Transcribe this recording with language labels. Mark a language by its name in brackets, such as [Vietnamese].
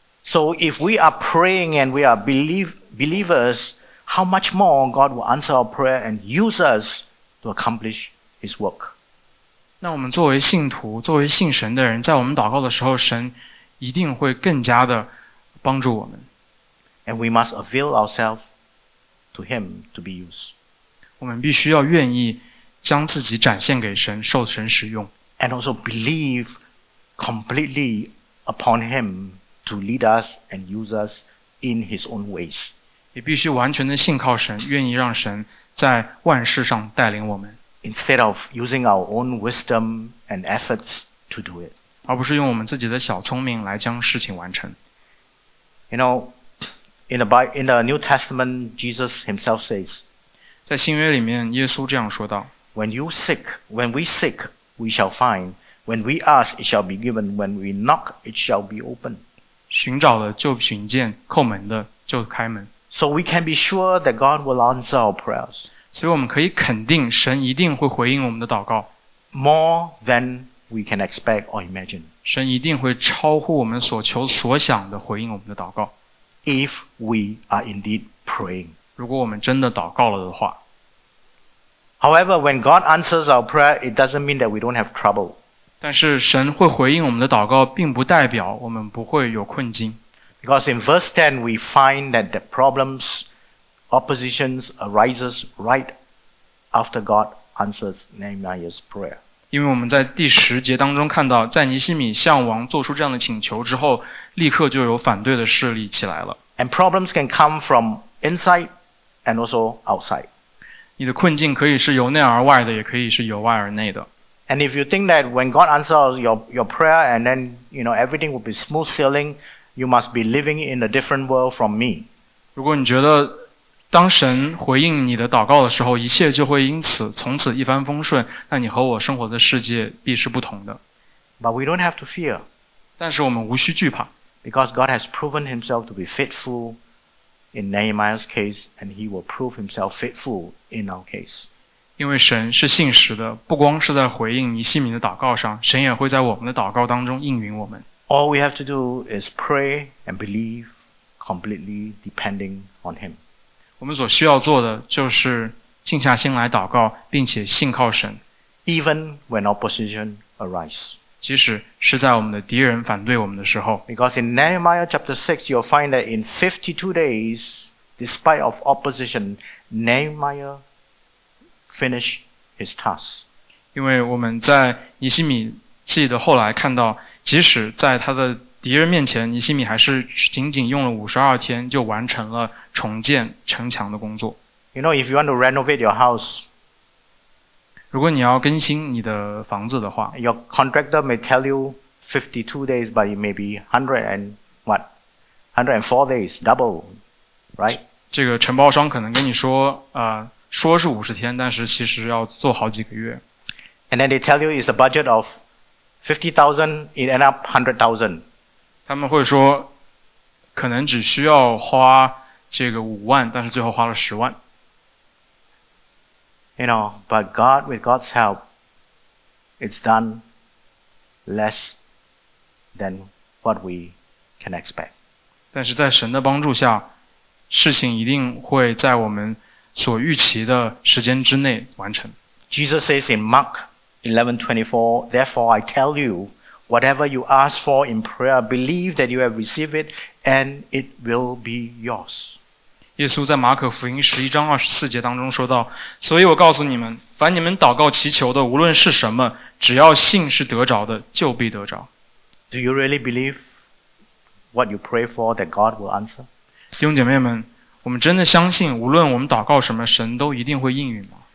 [English] So if we are praying and we are believers, how much more God will answer our prayer and use us to accomplish His work? [Chinese] 那我们作为信徒，作为信神的人，在我们祷告的时候，神一定会更加的帮助我们。 [English] And we must avail ourselves to Him to be used. [Chinese] 我们必须要愿意将自己展现给神，受神使用。 [English] And also believe completely upon Him to lead us and use us in His own ways. [Chinese] 也必须完全的信靠神，愿意让神在万事上带领我们。 [English] Instead of using our own wisdom and efforts to do it. [Chinese] 而不是用我们自己的小聪明来将事情完成。 [English] You know, in the New Testament, Jesus Himself says, [Chinese] 在新约里面，耶稣这样说道， [English] when we seek, we shall find. When we ask, it shall be given. When we knock, it shall be opened. [Chinese] 寻找的就寻见，叩门的就开门。 [English] So we can be sure that God will answer our prayers. [Chinese] 所以我们可以肯定神一定会回应我们的祷告。 [English] More than we can expect or imagine. [Chinese] 神一定会超乎我们所求所想的回应我们的祷告。 [English] If we are indeed praying. [Chinese] 如果我们真的祷告了的话。 [English] However, when God answers our prayer, it doesn't mean that we don't have trouble. [Chinese] 但是神会回应我们的祷告，并不代表我们不会有困境。 [English] Because in verse 10, we find that the problems, oppositions arises right after God answers Nehemiah's prayer. [Chinese] 因为我们在第十节当中看到，在尼希米向王做出这样的请求之后，立刻就有反对的势力起来了。 [English] And problems can come from inside and also outside. [Chinese] 你的困境可以是由内而外的，也可以是由外而内的。 [English] And if you think that when God answers your prayer and then, you know, everything will be smooth sailing, you must be living in a different world from me. [Chinese] 如果你觉得当神回应你的祷告的时候，一切就会因此从此一帆风顺，那你和我生活的世界必是不同的。 [English] But we don't have to fear. [Chinese] 但是我们无需惧怕。 [English] Because God has proven himself to be faithful. In Nehemiah's case, and he will prove himself faithful in our case. [Chinese] 因为神是信实的，不光是在回应尼希米的祷告上，神也会在我们的祷告当中应允我们。 [English] All we have to do is pray and believe, completely depending on him. [Chinese] 我们所需要做的就是静下心来祷告，并且信靠神。 [English] Even when opposition arises. [Chinese] 即使是在我们的敌人反对我们的时候。 [English] Because in Nehemiah chapter 6, you'll find that in 52 days, despite of opposition, Nehemiah finished his task. [Chinese] 因为我们在尼希米记的后来看到，即使在他的敌人面前，尼希米还是仅仅用了52天就完成了重建城墙的工作。 [English] You know, if you want to renovate your house, [Chinese] 如果你要更新你的房子的话， [English] Your contractor may tell you 52 days, but it may be 100 and what? 104 days, double, right? [Chinese] 这个承包商可能跟你说说是五十天，但是其实要做好几个月。 [English] And then they tell you it's a budget of 50,000, it end up 100,000. [Chinese] 他们会说可能只需要花这个五万，但是最后花了十万。 [English] You know, but God, with God's help, it's done less than what we can expect. [Chinese] 但是在神的帮助下，事情一定会在我们所预期的时间之内完成。 [English] Jesus says in Mark 11:24, therefore I tell you, whatever you ask for in prayer, believe that you have received it, and it will be yours. [Chinese] 耶稣在马可福音11:24当中说道，所以我告诉你们，凡你们祷告祈求的，无论是什么，只要信是得着的，就必得着。 [English] Do you really believe what you pray for that God will answer? [Chinese] 弟兄姐妹们，我们真的相信，无论我们祷告什么，神都一定会应允吗？